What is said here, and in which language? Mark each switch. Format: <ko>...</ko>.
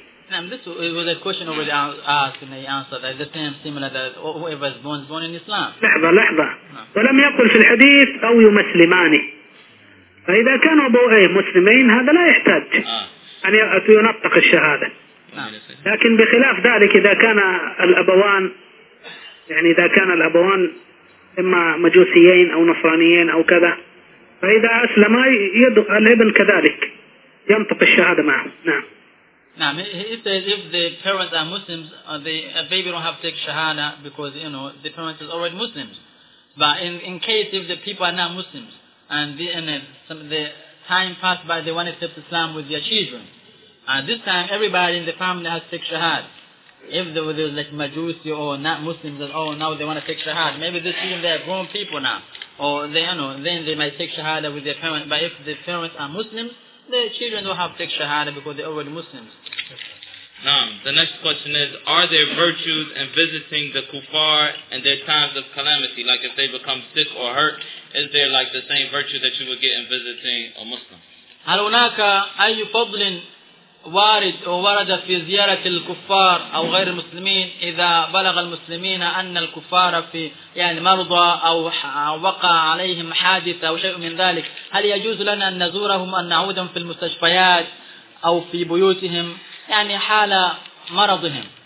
<en>نعم، this was a question already asked and they answered that the same similar that whoever is born in Islam.</en> <ar>لحظة. ولم يقل في الحديث أو يمسلمان. فإذا كانوا أبويه مسلمين هذا لا يحتاج أن ينطق الشهادة. لكن بخلاف ذلك إذا كان الأبوان يعني إذا كان الأبوان إما مجوسيين أو نصرانيين أو كذا فإذا أسلم الابن كذلك ينطق الشهادة معه. نعم.</ar> <en>If the parents are Muslims, the baby don't have to take shahada because you know the parents are already Muslims. But in case if the people are not Muslims and the time passed by they want to accept Islam with their children, and this time everybody in the family has to take shahad. If there were like Majusi or not Muslims at all, now they want to take shahad. Maybe this even they are grown people now, or they you know then they might take shahada with their parents. But if the parents are Muslims, the children don't have to take shahada because they are already Muslims. Now, the next question is: are there virtues in visiting the kuffar in their times of calamity? Like if they become sick or hurt, is there like the same virtue that you would get in visiting a Muslim?</en> <ar>هل هناك أي فضل وارد وورد في زيارة الكفار أو غير المسلمين إذا بلغ المسلمين أن الكفار في يعني مرضى أو وقع عليهم حادثة أو شيء من ذلك؟ هل يجوز لنا أن نزورهم أن نعودهم في المستشفيات أو في بيوتهم يعني حال مرضهم؟</ar>